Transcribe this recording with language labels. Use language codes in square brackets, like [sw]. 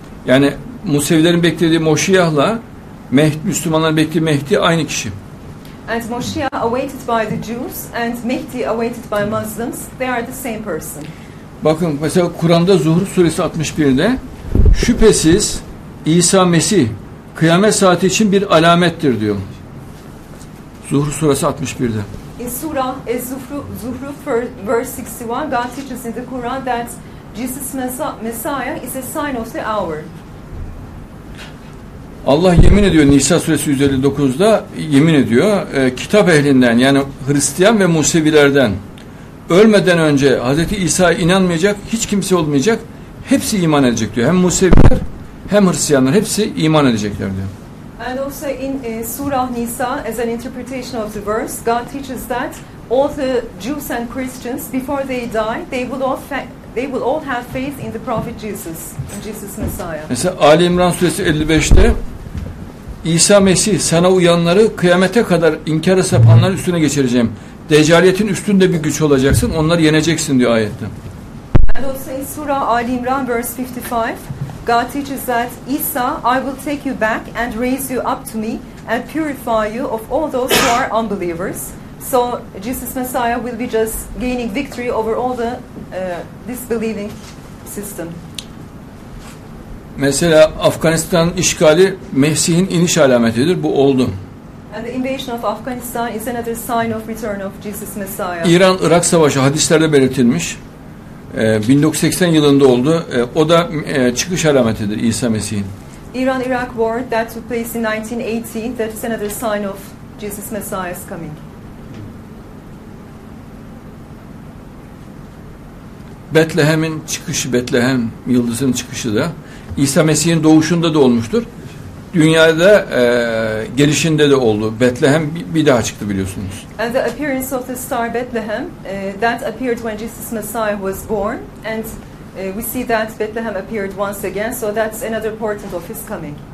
[tr] Yani Musevilerin beklediği Moşiyah'la Mehdi, Müslümanların beklediği Mehdi aynı kişi. [en] And Moşiyah awaited by the Jews and Mehdi awaited by Muslims, they are the same person. [tr] Bakın mesela Kur'an'da Zuhur suresi 61'de şüphesiz İsa Mesih kıyamet saati için bir alamettir diyor. Zuhur suresi 61'de. [en] In Surah Az-Zukhruf verse 61, God teaches in the Quran that Jesus Messiah is a sign of the hour. [tr] Allah yemin ediyor Nisa suresi 159'da yemin ediyor. Kitap ehlinden yani Hristiyan ve Musevilerden ölmeden önce Hazreti İsa'ya inanmayacak hiç kimse olmayacak. Hepsi iman edecek diyor. Hem Museviler hem Hristiyanlar hepsi iman edecekler diyor. [en] And also in Surah Nisa as an interpretation of the verse, God teaches that all the Jews and Christians before they die, they will all have faith in the prophet Jesus, Jesus Messiah. [tr] Mesela Ali İmran suresi 55'te İsa Mesih sana uyanları kıyamete kadar inkara sapanların üstüne geçireceğim. Deccaliyetin üstünde bir güç olacaksın. Onları yeneceksin diyor ayette. [en] And also in Surah Ali İmran verse 55, God teaches that İsa, I will take you back and raise you up to me and purify you of all those who are unbelievers. So Jesus Messiah will be just gaining victory over all the disbelieving system. [tr] Mesela Afganistan'ın işgali Mesih'in iniş alametidir. Bu oldu. [en] And the invasion of Afghanistan is another sign of return of Jesus Messiah. [tr] İran-Irak savaşı hadislerde belirtilmiş. 1980 yılında oldu. O da çıkış alametidir İsa Mesih'in. [en] İran-Irak war that took place in 1980, that's another sign of Jesus Messiah's coming. [tr] Betlehem'in çıkışı, Betlehem yıldızının çıkışı da İsa Mesih'in doğuşunda da olmuştur. Dünyada gelişinde de oldu. Betlehem bir daha çıktı biliyorsunuz. [en] And the appearance of the star Bethlehem that appeared when Jesus Messiah was born and we see that Bethlehem appeared once again, so that's another portent of his coming.